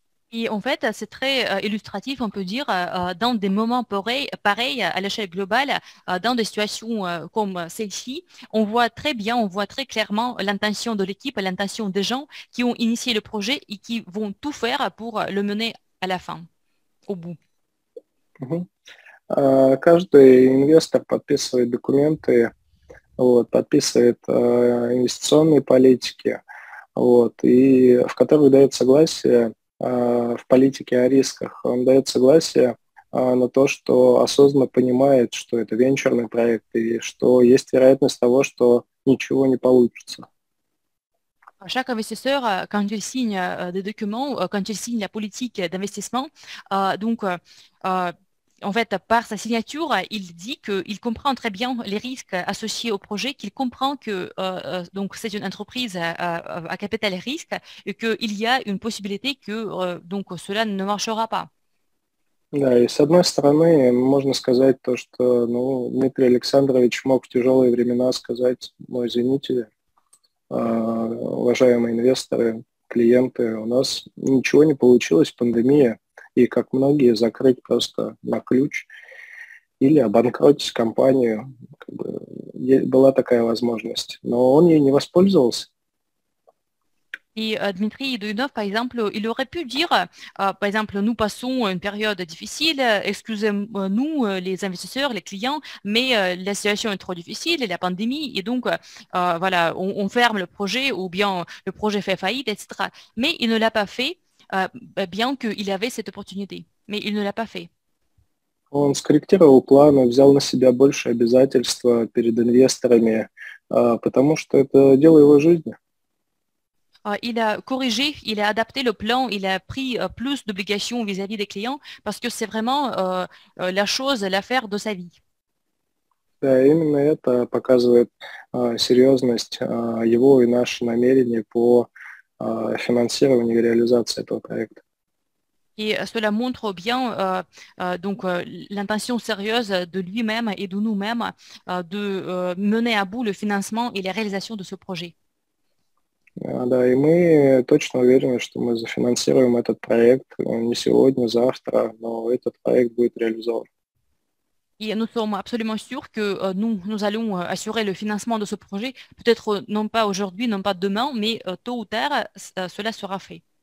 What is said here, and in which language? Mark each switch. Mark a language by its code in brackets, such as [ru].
[fr] Et en fait, c'est très illustratif, on peut dire, dans des moments pareils à l'échelle globale, dans des situations comme celle-ci, on voit très bien, on voit très clairement l'intention de l'équipe, l'intention des gens qui ont initié le projet et qui vont tout faire pour le mener à la fin, au bout. [ru] Каждый инвестор подписывает документы, подписывает инвестиционные политики, и в которых дает согласие в политике о рисках. Он дает согласие на то, что осознанно понимает, что это венчурный проект, и что есть вероятность того, что ничего не получится. [fr] Chaque investisseur, quand il signe des documents, quand il signe la politique d'investissement, en fait, par sa signature, il dit qu'il comprend très bien les risques associés au projet, qu'il comprend que donc c'est une entreprise à capital risque et qu'il y a une possibilité que donc cela ne marchera pas. [ru] Да, и с одной стороны, можно сказать то, что Дмитрий Александрович мог в тяжелые времена сказать, ну, извините, уважаемые инвесторы, клиенты, у нас ничего не получилось, пандемия, и как многие закрыть просто на ключ или обанкротить компанию, как бы, была такая возможность, но он ей не воспользовался. [fr] Et Dmitri Idoïnov, par exemple, il aurait pu dire, par exemple, nous passons une période difficile, excusez-nous les investisseurs, les clients, mais la situation est trop difficile, la pandémie, et donc, voilà, on ferme le projet ou bien le projet fait faillite, etc. Mais il ne l'a pas fait, bien qu'il avait cette opportunité. Mais il ne l'a pas fait. [ru] Он скорректировал планы, взял на себя больше обязательства перед инвесторами, потому что это дело его жизни. [fr] Il a corrigé, il a adapté le plan, il a pris plus d'obligations vis-à-vis des clients parce que c'est vraiment la chose, l'affaire de sa vie. [ru] Да, именно это показывает серьезность его и наши намерения по финансированию и реализации этого проекта. [fr] Et cela montre bien l'intention sérieuse de lui-même et de nous-mêmes de mener à bout le financement et la réalisation de ce projet. [ru] Да, и мы точно уверены, что мы зафинансируем этот проект не сегодня, завтра, но этот проект будет реализован. [fr] Et nous sommes absolument sûrs que nous allons assurer le financement de ce projet, peut-être non pas aujourd'hui, non pas demain, mais tôt ou tard, cela sera fait.